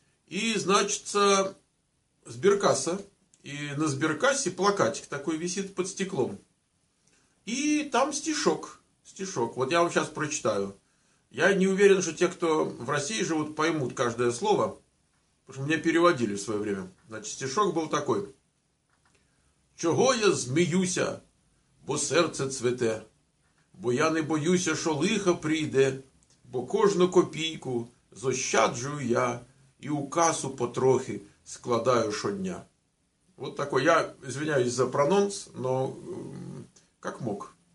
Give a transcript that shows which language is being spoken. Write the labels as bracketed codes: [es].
[ru] И, значит, сберкасса, и на сберкассе плакатик такой висит под стеклом, и там стишок, вот я вам сейчас прочитаю, я не уверен, что те, кто в России живут, поймут каждое слово, потому что мне переводили в свое время. Значит, стишок был такой: [uk] «Чого я змеюся, бо серце цвете, бо я не боюся, що лихо прийде, бо кожну копійку зощаджую я і у касу потрохи складаю щодня». [ru] Вот такой. Я извиняюсь за прононс, но как мог.